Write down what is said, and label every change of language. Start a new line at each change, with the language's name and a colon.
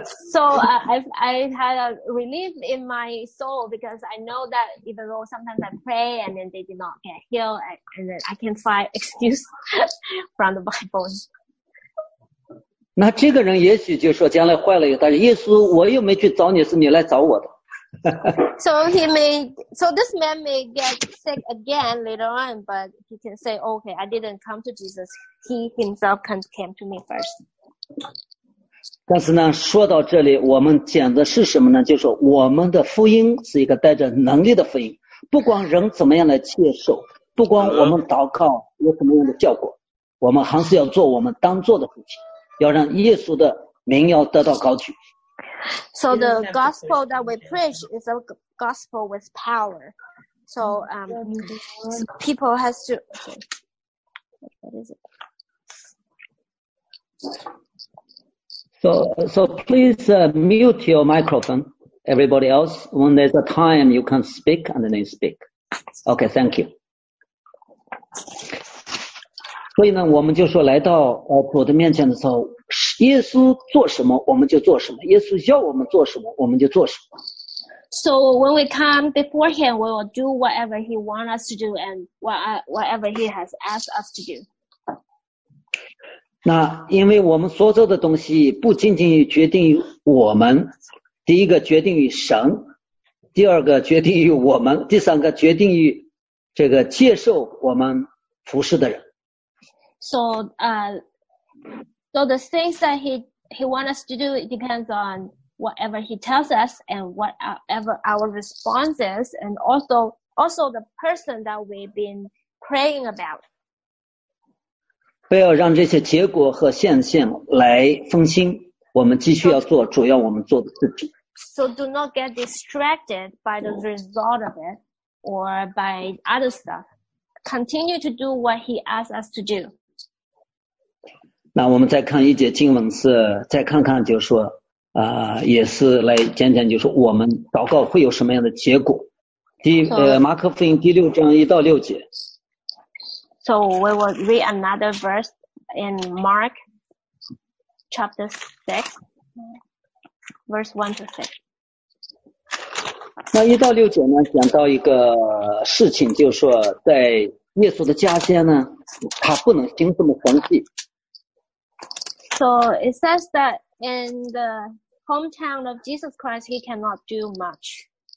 English: So I had a relief in my soul because I know that even though sometimes I pray and then they did not get healed, and then I can find excuse from the Bible.
Chinese: 那这个人也许就说将来坏了，但是耶稣我又没去找你，是你来找我的。
English: So this man may get sick again later on, but he can say, okay, I didn't come to Jesus. He himself came to me first.
Chinese: 但是呢，说到这里，我们讲的是什么呢？就是我们的福音是一个带着能力的福音，不管人怎么样来接受，不管我们祷告有什么样的效果，我们还是要做我们当做的父亲，要让耶稣的名要得到高举。
English: So the gospel that we preach is a gospel with power. So people has to. What is it? So please mute your microphone, everybody else. When there's a time, you can speak and then speak. Okay, thank you.
Chinese: 所以呢，我们就说来到主的面前的时候，耶稣做什么我们就做什么，耶稣要我们做什么我们就做什么。
English: So when we come before him, we will do whatever he wants us to do and whatever he has asked us to do.
Chinese: 那因为我们所做的东西不仅仅决定于我们，第一个决定于神，第二个决定于我们，第三个决定于这个接受我们服侍的人。
English: So the things that he wants us to do, it depends on whatever he tells us and whatever our response is, and also the person that we've been praying about.
Chinese: 不要让这些结果和现象来分心，我们继续要做主要我们做的事情。
English: So do not get distracted by the result of it or by other stuff. Continue to do what he asks us to do.
Chinese: 那我们再看一节经文是，再看看就是说，也是来讲讲就是我们祷告会有什么样的结果。马可福音第六章一到六节。
English: So we will read another verse in Mark chapter 6. Verse 1 to 6.
Chinese: 那一到六节呢，讲到一个事情，就是说，在耶稣的家乡呢，他不能行什么神迹。
English: So it says that in the hometown of Jesus Christ, he cannot do much.